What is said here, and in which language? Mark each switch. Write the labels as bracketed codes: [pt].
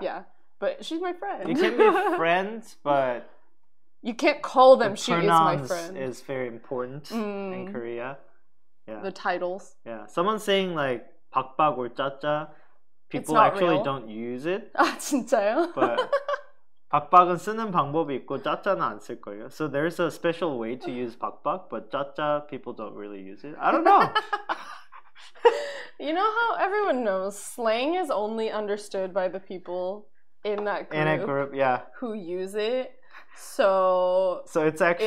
[en] Yeah. But she's my friend. You can be friends, but you can't call them the she is my friend. Is very important in Korea. Yeah. The titles. Yeah. Someone saying like 박박 or 짜짜, people actually don't use it. [ko] 아, 진짜요? But 박박은 쓰는 방법이 있고 짜짜는 안 쓸 거예요. [en] So there's a special way to use 박박, but 짜짜 people don't really use it. I don't know. You know how everyone knows slang is only understood by the people in that group. In a group, yeah. Who use it? So. So it's actually